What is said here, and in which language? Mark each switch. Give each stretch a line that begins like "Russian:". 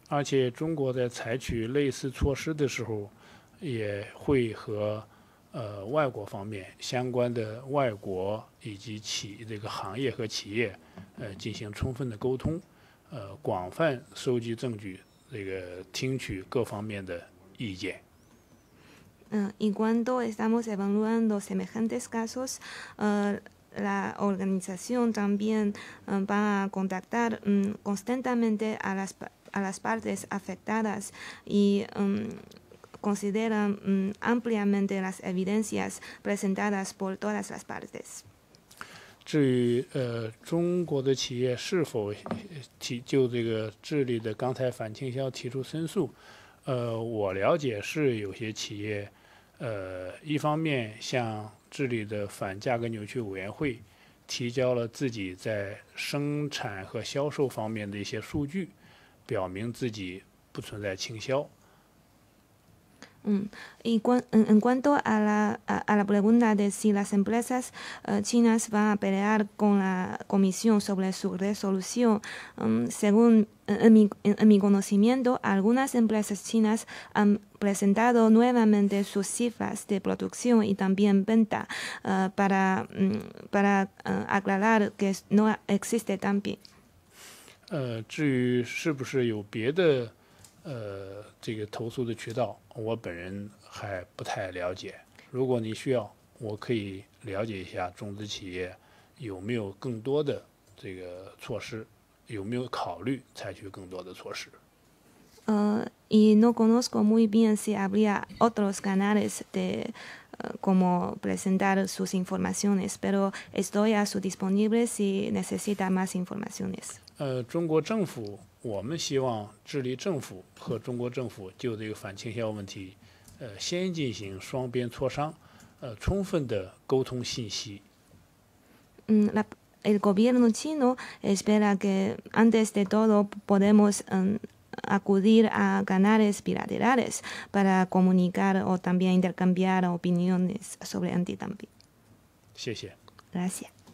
Chinese: 而且中国在采取类似措施的时候，也会和外国方面相关的外国以及企这个行业和企业进行充分的沟通，广泛收集证据，这个听取各方面的意见。
Spanish: Y cuando estamos evaluando semejantes casos, la organización también va a contactar constantemente a las partes afectadas y considera ampliamente las evidencias presentadas por todas las partes.
Chinese: 至于中国的企业是否就这个智利的刚才反倾销提出申诉，我了解是有些企业。一方面向智利的反价格扭曲委员会提交了自己在生产和销售方面的一些数据，表明自己不存在倾销。
Spanish: En cuanto a la pregunta de si las empresas chinas van a pelear con la comisión sobre su resolución, según en mi conocimiento, algunas empresas chinas han presentado nuevamente sus cifras de producción y también venta para aclarar que no existe dumping.
Chinese: 至于是不是有别的这个投诉的渠道，我本人还不太了解。如果你需要，我可以了解一下中资企业有没有更多的这个措施，有没有考虑采取更多的措施。
Spanish: Y no conozco muy bien si habría otros canales de cómo presentar sus informaciones, pero estoy a su disponible si necesita más informaciones.
Chinese: 中国政府，我们希望智利政府和中国政府就这个反倾销问题，先进行双边磋商，充分的沟通信息。
Spanish: El gobierno chino espera que antes de todo podemos acudir a canales bilaterales para comunicar o también intercambiar opiniones sobre antidumping. Gracias.